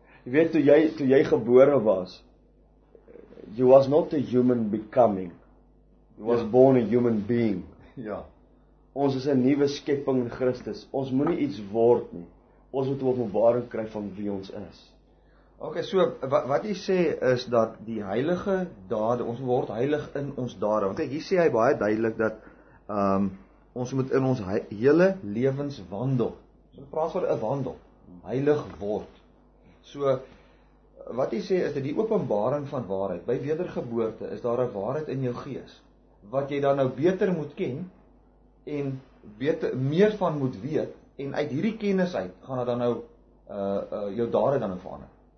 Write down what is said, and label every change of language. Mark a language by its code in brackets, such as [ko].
[af] Jy weet, toe jy gebore was, [en] you was not a human becoming, you was ja. Born a human being. [af] Ja. Ons is 'n nuwe skepping in Christus. Ons moenie iets word nie. Ons moet openbaring kry van wie ons is. OK, so wat jy sê is dat die heilige dade, ons word heilig in ons dade. Want kyk, hier sê hy baie duidelik dat ons moet in ons hele lewenswandel. So praat oor 'n wandel, heilig word. So wat jy sê is dat die openbaring van waarheid by wedergeboorte is daar 'n waarheid in jou gees wat jy dan nou beter moet ken. En beter, meer van moet weet, en uit hierdie kennis uit, gaan dit dan nou, jou dade dan nou verander.